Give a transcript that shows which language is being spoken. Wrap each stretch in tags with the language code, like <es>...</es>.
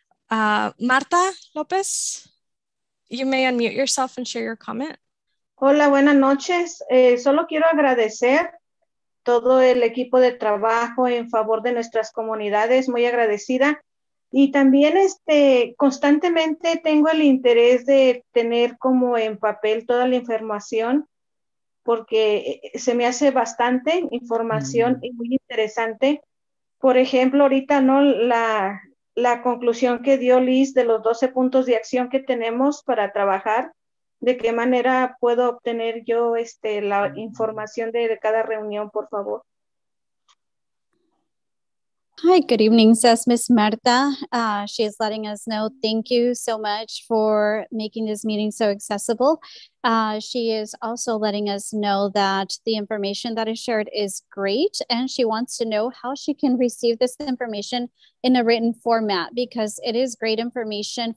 <en>Marta Lopez, you may unmute yourself and share your comment.</en> <es>Hola, buenas noches. Solo quiero agradecer todo el equipo de trabajo en favor de nuestras comunidades, muy agradecida. Y también constantemente tengo el interés de tener como en papel toda la información porque se me hace bastante información y muy interesante. Por ejemplo, ahorita, ¿no? La conclusión que dio Liz de los 12 puntos de acción que tenemos para trabajar, ¿de qué manera puedo obtener yo la información de cada reunión, por favor?</es> <en>Hi, good evening, says Ms. Marta. She is letting us know, thank you so much for making this meeting so accessible. She is also letting us know that the information that is shared is great, and she wants to know how she can receive this information in a written format, because it is great information.</en>